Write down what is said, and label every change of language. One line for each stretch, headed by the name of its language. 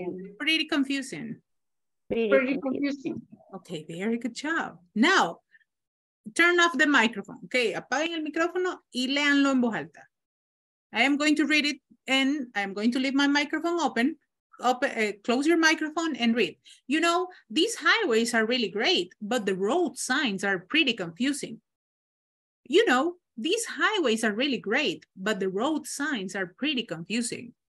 English: these highways are really great, but the road signs are pretty confusing. Okay, very good job. Now, turn off the microphone.
Spanish: Okay, apaguen el micrófono y léanlo en voz alta.
English: I am going to read it and I'm going to leave my microphone open, close your microphone and read. You know, these highways are really great, but the road signs are pretty confusing. You know, these highways are really great, but the road signs are pretty confusing.